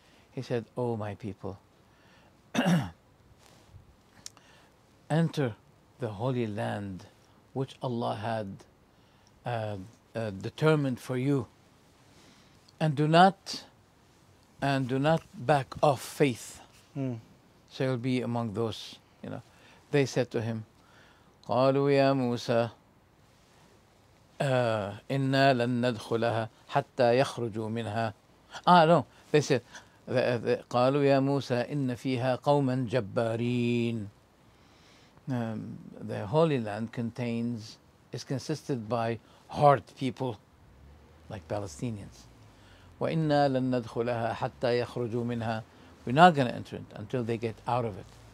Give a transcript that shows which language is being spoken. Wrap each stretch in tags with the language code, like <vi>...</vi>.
<en>He said, oh my people, enter the holy land which Allah had determined for you, and do not back off faith. So you'll be among those, you know. They said to him,</en> <ar>قالوا يا موسى إنا لن ندخلها حتى يخرجوا منها.</ar> <en>They said,</en> <ar>قالوا يا موسى إن فيها قوما جبارين.</ar> <en>The Holy Land is consisted by hard people like Palestinians.</en> <ar>وإنا لن ندخلها حتى يخرجوا منها.</ar> <en>We're not going to enter it until they get out of it.</en>